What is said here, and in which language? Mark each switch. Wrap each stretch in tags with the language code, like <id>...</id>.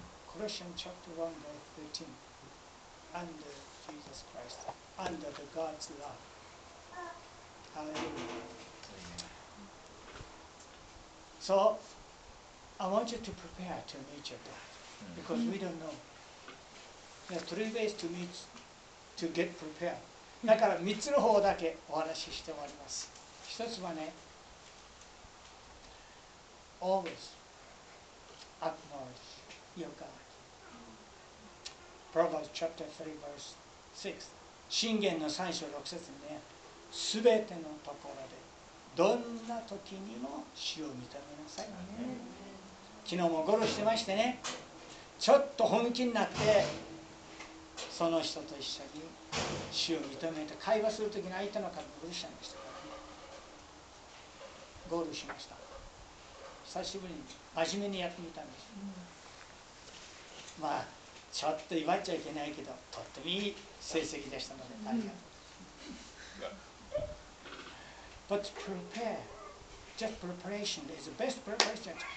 <en>Colossians chapter 1 verse 13, under Jesus Christ, under the God's love. Hallelujah. So, I want you to prepare to meet your dad, because we don't know. There are three ways to meet, to get prepared.</en> <ja>だから3つの方だけお話しして終わります。 1つはね、</ja> <en>Always acknowledge your God. Proverbs chapter 3 verse 6.</en> <ja>箴言の3章6節にね、すべてのところで、どんな時にも主を認めなさい。昨日もゴルフしてましてね、ちょっと本気になって、その人と一緒に主を認めて、会話するときに相手の方もゴルフしましたからね。ゴルフしました。久しぶりに真面目にやってみたんです。まあ、ちょっと威張っちゃいけないけど、とってもいい成績でしたので、ありがとう。</ja> <en>But prepare, just preparation is the best preparation.</en>